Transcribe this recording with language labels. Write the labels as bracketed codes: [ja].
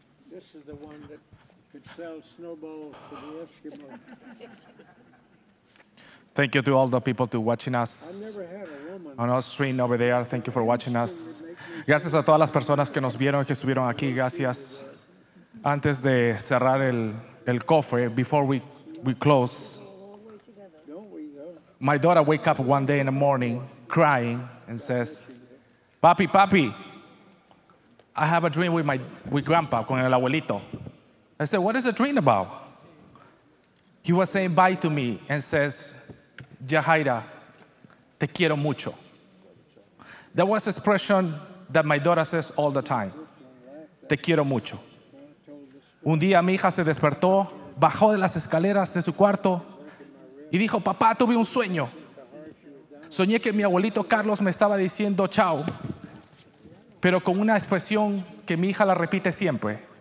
[en] This is the one that could sell snowballs to the Eskimo. Thank you to all the people to watching us on our stream over there. Thank you for watching us. [es] Gracias a todas las personas que nos vieron y que estuvieron aquí. Gracias. Antes de cerrar el cofre, [en] before we close, my daughter wake up one day in the morning crying and says, Papi, I have a dream with grandpa, [es] con el abuelito. [en] I said, what is the dream about? He was saying bye to me and says, Yahaira, [es] te quiero mucho. [en] That was an expression that my daughter says all the time. [es] Te quiero mucho. Un día mi hija se despertó, bajó de las escaleras de su cuarto y dijo, papá, tuve un sueño. Soñé que mi abuelito Carlos me estaba diciendo chao, pero con una expresión que mi hija la repite siempre.